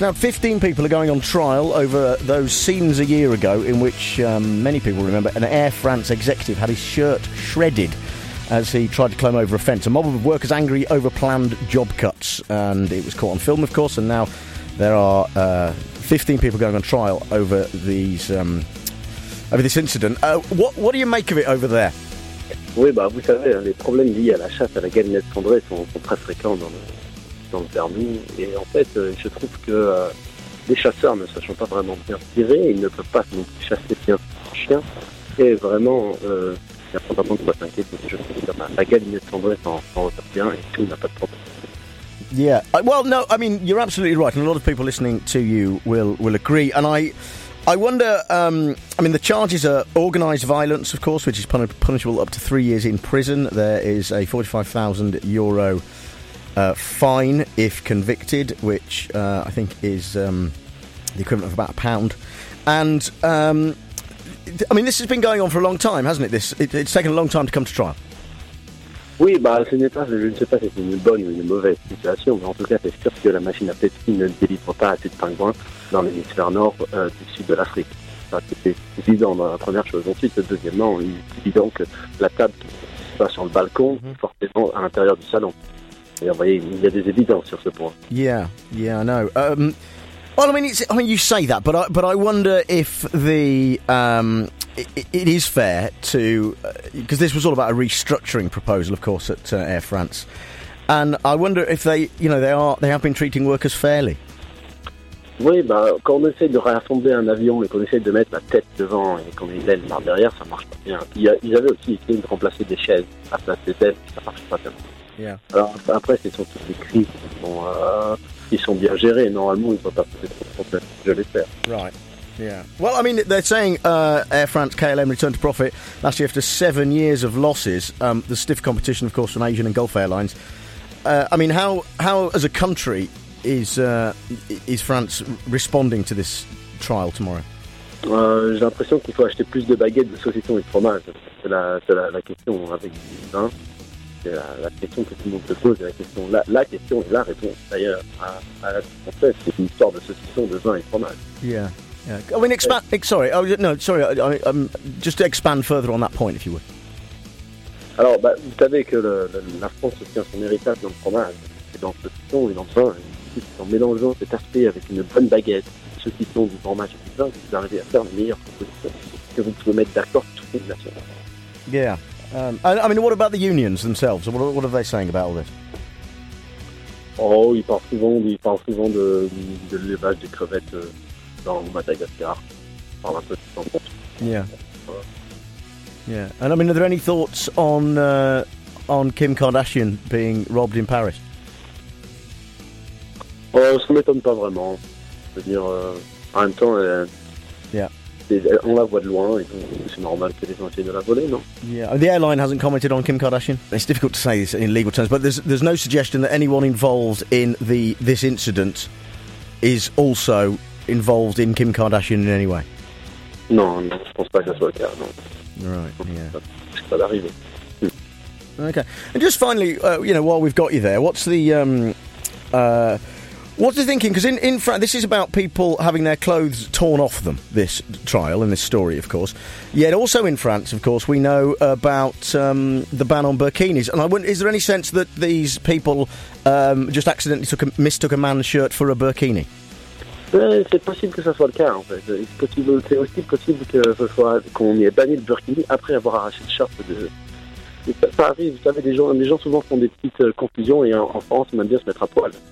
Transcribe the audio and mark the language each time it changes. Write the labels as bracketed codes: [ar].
[en] Now, 15 people are going on trial over those scenes a year ago in which many people remember an Air France executive had his shirt shredded as he tried to climb over a fence. A mob of workers angry over planned job cuts. And it was caught on film, of course. And now there are 15 people going on trial over these over this incident. What do you make of it over there? [fr] Oui, bah vous savez, les problèmes liés à la chasse à la galinette cendrée sont très fréquents dans le Vermont. Et en fait, je trouve que les chasseurs ne sachant pas vraiment bien tirer, ils ne peuvent pas donc chasser bien un chien. Et vraiment, il y a pas vraiment de quoi s'inquiéter. Je trouve que la galinette cendrée s'en retire bien et tout n'a pas de problème. [en] Yeah. Well, no, I mean, you're absolutely right, and a lot of people listening to you will agree. And I wonder, I mean, the charges are organised violence, of course, which is punishable up to 3 years in prison. There is a €45,000 fine if convicted, which I think is the equivalent of about £1. And, I mean, this has been going on for a long time, hasn't it? It's taken a long time to come to trial. [fr] Oui, bah, je ne sais pas si c'est une bonne ou une mauvaise situation, mais en tout cas, c'est sûr que la machine à Pepsi ne délivre pas assez de pingouins dans l'hémisphère nord du sud de l'Afrique. Ça, c'est évident, la première chose. Ensuite, deuxièmement, il est évident que la table qui se passe sur le balcon, forcément à l'intérieur du salon. Et vous voyez, il y a des évidences sur ce point. [en] Yeah, yeah, I know. Well, I mean, you say that, but I wonder if the it is fair to because this was all about a restructuring proposal, of course, at Air France, and I wonder if they have been treating workers fairly. [fr] Oui, bah, quand on essaie de réassembler un avion et qu'on essaie de mettre la tête devant et qu'on met l'aile derrière, ça marche pas bien. Ils avaient aussi essayé de remplacer des chaises à la place des ailes, ça marche pas tellement. [en] Yeah. [fr] Alors après, c'est surtout des cris qui sont. Ils sont bien gérés. Normalement, ils ne vont pas poser trop de problèmes. Je l'espère. [en] Right. Yeah. Well, I mean, they're saying Air France KLM returned to profit last year after 7 years of losses. There's stiff competition, of course, from Asian and Gulf Airlines. I mean, how as a country is France responding to this trial tomorrow? [fr] J'ai l'impression qu'il faut acheter plus de baguettes, de saucissons et de fromage. C'est la question avec les vins. Hein. C'est la question que tout le monde se pose, la question et la réponse d'ailleurs à la française, c'est une histoire de saucisson, de vin et de fromage. [en] Yeah. I mean, expand. Just to expand further on that point, if you would. [fr] Alors, bah, vous savez que la France tient son héritage dans le fromage, et dans le saucisson et dans le vin. C'est en mélangeant cet aspect avec une bonne baguette, du saucisson, du fromage et du vin, que vous arrivez à faire les meilleures propositions, que vous pouvez mettre d'accord toutes les nations. [en] Yeah. I mean, what about the unions themselves? What are they saying about all this? [fr] Oh, ils parlent souvent de l'élevage des crevettes dans Madagascar. Parle un peu de temps pour tout. [en] Yeah. Yeah. And I mean, are there any thoughts on Kim Kardashian being robbed in Paris? [fr] Oh, ça m'étonne pas vraiment. Je veux dire, en même temps, on la voit de loin, et donc c'est normal que les gens essayent de la voler, non? [en] Yeah, the airline hasn't commented on Kim Kardashian. It's difficult to say this in legal terms, but there's no suggestion that anyone involved in this incident is also involved in Kim Kardashian in any way. [fr] Non, je ne pense pas que ça soit le cas, non. [en] Right, yeah. [fr] Ça va d'arriver. [en] Okay, and just finally, while we've got you there, what's the what's the thinking? Because in France, this is about people having their clothes torn off them, this trial and this story, of course. Yet also in France, of course, we know about the ban on burkinis. And is there any sense that these people just accidentally mistook a man's shirt for a burkini? [fr] C'est possible que ça soit le cas, en fait. C'est aussi possible que ce soit qu'on ait banni le burkini après avoir arraché le short de... Ça arrive, vous savez, les gens souvent font des petites confusions et en France, on aime bien se mettre à poil.